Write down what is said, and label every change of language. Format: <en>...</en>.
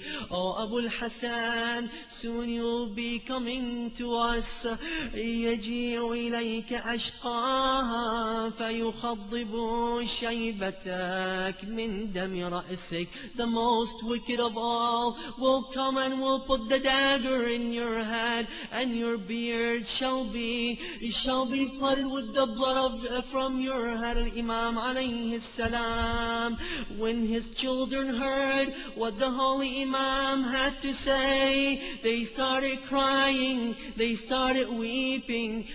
<en>Oh Abul Hassan, soon you'll be coming to us.</en> <ar>يجيء إليك أشقاها فيخضب شيبتك من دم رأسك.</ar> <en>The most wicked of all will come and will put the dagger in your head, and your beard shall be flooded with the blood of from your head. Imam عليه السلام, when his children heard what the holy Imam had to say, they started crying, they started weeping.</en>